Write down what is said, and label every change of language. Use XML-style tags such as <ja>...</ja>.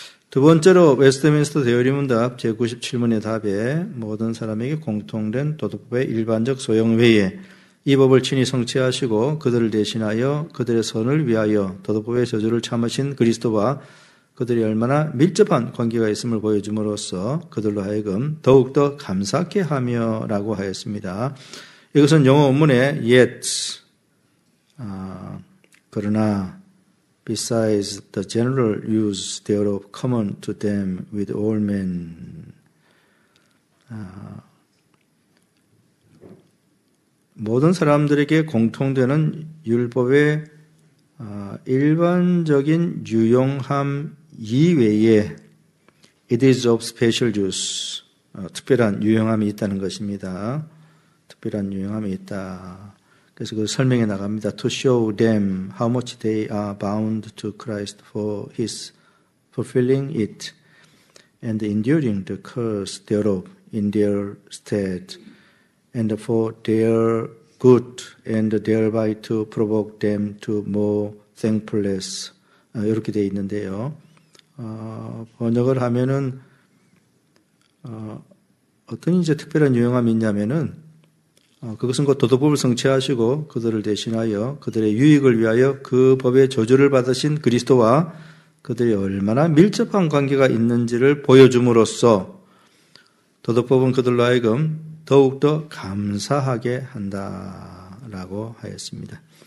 <ko>두 번째로 웨스트민스터 대여리문답 제97문의 답에 모든 사람에게 공통된 도덕법의 일반적 소용 외에 이 법을 친히 성취하시고 그들을 대신하여 그들의 선을 위하여 도덕법의 저주를 참으신 그리스도와 그들이 얼마나 밀접한 관계가 있음을 보여줌으로써 그들로 하여금 더욱더 감사케 하며 라고 하였습니다. 이것은 영어 원문에</ko> <en>yet,</en> <ko>그러나</ko> <en>besides the general use thereof common to them with all men.</en> <ko>모든 사람들에게 공통되는 율법의 일반적인 유용함 이외에</ko> <en>it is of special use</en> <ko>특별한 유용함이 있다는 것입니다. 특별한 유용함이 있다. 그래서 그 설명해 나갑니다.</ko> <en>To show them how much they are bound to Christ for his fulfilling it and enduring the curse thereof in their stead and for their good and thereby to provoke them to more thankfulness</en> <ko>이렇게 되어 있는데요. 번역을 하면은, 어떤 이제 특별한 유용함이 있냐면은, 그것은 곧 도덕법을 성취하시고 그들을 대신하여 그들의 유익을 위하여 그 법의 저주를 받으신 그리스도와 그들이 얼마나 밀접한 관계가 있는지를 보여줌으로써 도덕법은 그들로 하여금 더욱더 감사하게 한다라고 하였습니다.</ko>